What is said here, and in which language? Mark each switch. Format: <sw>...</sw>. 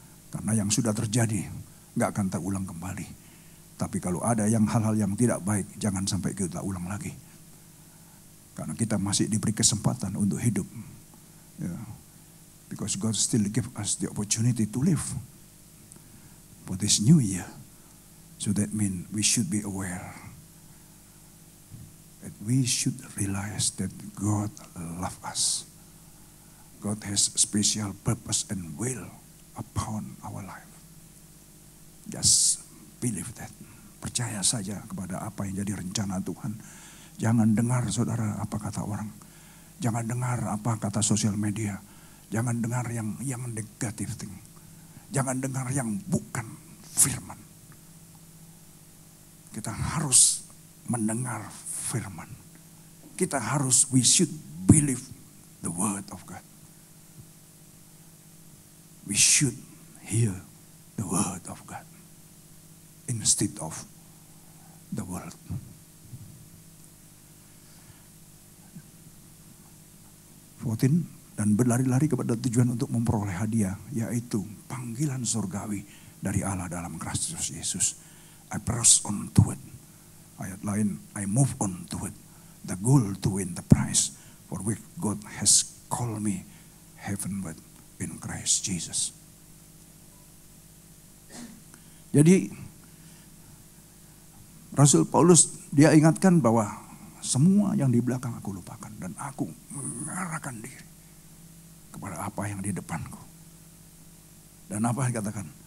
<id>Karena yang sudah terjadi gak akan terulang kembali. Tapi kalau ada yang hal-hal yang tidak baik, jangan sampai kita ulang lagi. Karena kita masih diberi kesempatan untuk hidup.</id> <en>Yeah. Because God still give us the opportunity to live for this new year. So that mean we should be aware that we should realize that God loves us. God has special purpose and will upon our life. Just believe that.</en> <id>Percaya saja kepada apa yang jadi rencana Tuhan. Jangan dengar saudara apa kata orang. Jangan dengar apa kata sosial media. Jangan dengar yang negatif thing. Jangan dengar yang bukan firman. Kita harus mendengar firman. Kita harus,</id> <en>we should believe the word of God. We should hear the word of God instead of the world.</en> <id>Fourteen, dan berlari-lari kepada tujuan untuk memperoleh hadiah, yaitu panggilan surgawi dari Allah dalam Kristus Yesus.</id> <en>I press on to it.</en> <id>Ayat lain,</id> <en>I move on to it. The goal to win the prize for which God has called me heavenward in Christ Jesus.</en> <id>Jadi, Rasul Paulus, dia ingatkan bahwa semua yang di belakang aku lupakan. Dan aku mengarahkan diri kepada apa yang di depanku. Dan apa yang dikatakan?</id>